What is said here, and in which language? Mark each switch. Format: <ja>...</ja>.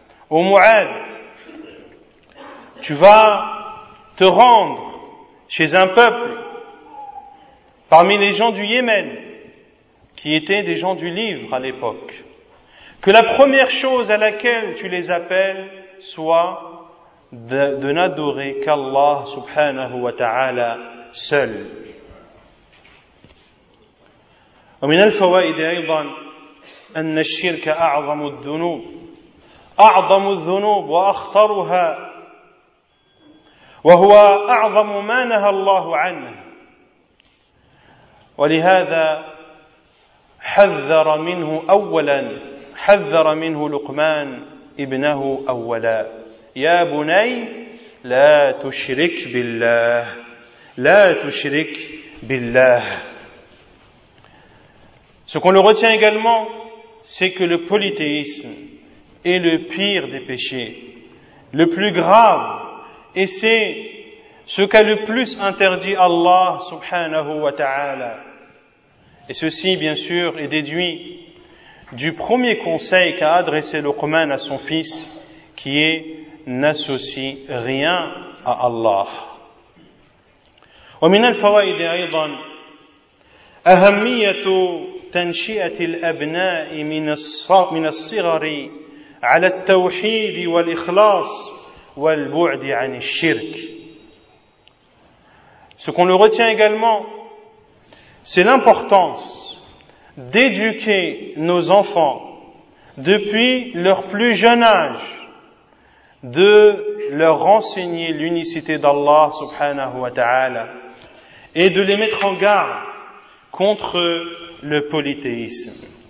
<fr>Ô Mu'ad, tu vas te rendre chez un peuple parmi les gens du Yémen, qui étaient des gens du livre à l'époque, que la première chose à laquelle tu les appelles soit de n'adorer qu'Allah subhanahu wa ta'ala seul.</fr> <ar>ومن الفوائد أيضا أن الشرك أعظم الذنوب أعظم الذنوب وأخطرها وهو أعظم ما نهى الله عنه ولهذا حذر منه أولا حذر منه لقمان ابنه أولا يا بني لا تشرك بالله لا تشرك بالله.</ar> <fr>Ce qu'on le retient également, c'est que le polythéisme est le pire des péchés, le plus grave. Et c'est ce qu'a le plus interdit Allah subhanahu wa ta'ala. Et ceci, bien sûr, est déduit du premier conseil qu'a adressé Luqman à son fils, qui est « n'associe rien à Allah ».</fr> <ar>ومن الفوائد أيضا أهمية تنشئة الأبناء من الصغر على التوحيد والإخلاص والبعد عن الشرك.</ar> <fr>Ce qu'on le retient également, c'est l'importance d'éduquer nos enfants depuis leur plus jeune âge, de leur enseigner l'unicité d'Allah subhanahu wa ta'ala et de les mettre en garde contre le polythéisme.</fr>